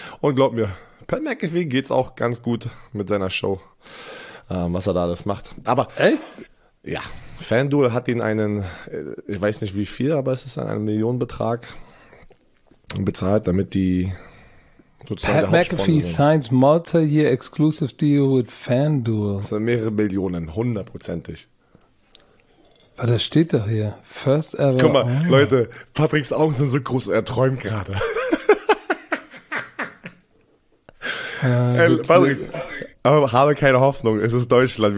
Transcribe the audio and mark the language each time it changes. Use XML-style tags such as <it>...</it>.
<de>Und glaub mir, Pat McAfee geht's auch ganz gut mit seiner Show, was er da alles macht. Aber echt? Ja, FanDuel hat ihn einen, ich weiß nicht wie viel, aber es ist einen Millionenbetrag bezahlt, damit die sozusagen</de> <en>Pat McAfee signs multi-year exclusive deal with FanDuel.</en> <de>Das sind mehrere Millionen, hundertprozentig. Aber das steht doch hier.</de> <en>First ever.</en> <de>Guck mal, owner. Leute, Patricks Augen sind so groß, er träumt gerade. Patrick, habe keine Hoffnung, es ist Deutschland.</de>